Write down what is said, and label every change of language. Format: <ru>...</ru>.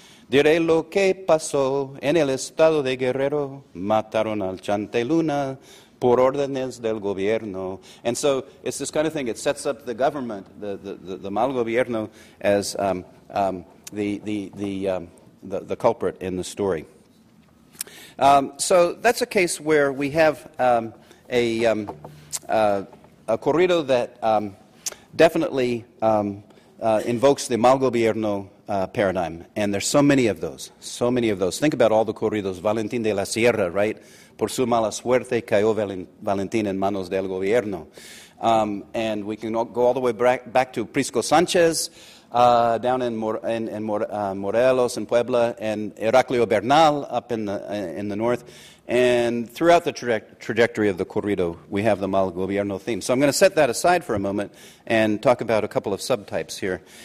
<es>Diré lo que pasó en el estado de Guerrero. Mataron al Chante Luna por órdenes del gobierno.</es> <en>And so it's this kind of thing. It sets up the government, the mal gobierno, as the culprit in the story. So that's a case where we have a corrido that definitely invokes the mal gobierno paradigm. And there's so many of those. Think about all the corridos. Valentín de la Sierra, right?</en> <es>Por su mala suerte cayó Valentín en manos del gobierno.</es> <en>And we can go all the way back to Prisco Sánchez down in Morelos and Puebla, and Heraclio Bernal up in the north. And throughout the trajectory of the corrido, we have the mal gobierno theme. So I'm going to set that aside for a moment and talk about a couple of subtypes here.</en>